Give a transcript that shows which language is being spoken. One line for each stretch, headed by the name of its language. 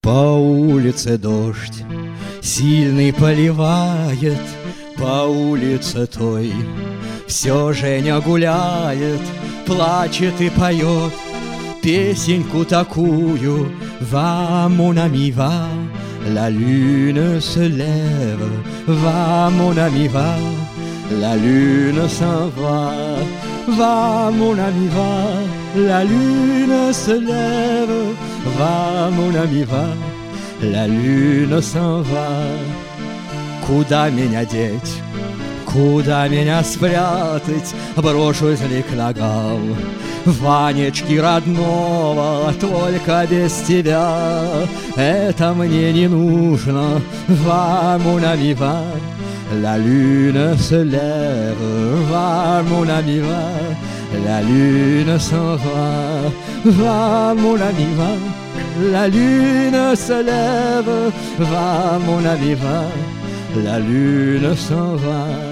Russian: По улице дождь сильный поливает, по улице той все Женя гуляет, плачет и поет песенку такую:
French: «Va mon ami va,
Russian: la lune se lève, va mon ami va,
French: la lune s'en va, va mon ami va, la lune se lève, va mon ami va, la lune s'en va.
Russian: Куда меня деть, куда меня спрятать, брошусь ли к ногам Ванечки родного, только без тебя? Это мне не нужно,
French: va mon ami va, la lune se lève, va mon ami va, la lune s'en va, va mon ami va, la lune se lève, va mon ami va, la lune s'en va.